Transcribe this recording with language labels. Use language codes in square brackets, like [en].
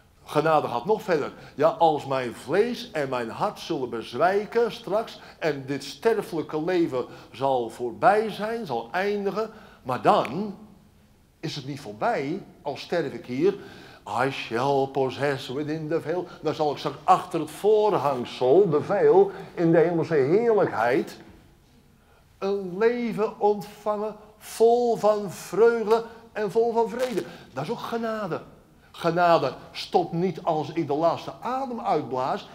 [nl] Genade gaat nog verder. Ja, als mijn vlees en mijn hart zullen bezwijken straks en dit sterfelijke leven zal voorbij zijn, zal eindigen, maar dan is het niet voorbij, al sterf ik hier, [en] I shall possess within the veil. [nl] Dan zal ik straks achter het voorhangsel, de veil, in de hemelse heerlijkheid, een leven ontvangen vol van vreugde en vol van vrede. Dat is ook genade. Genade stopt niet als ik de laatste adem uitblaas.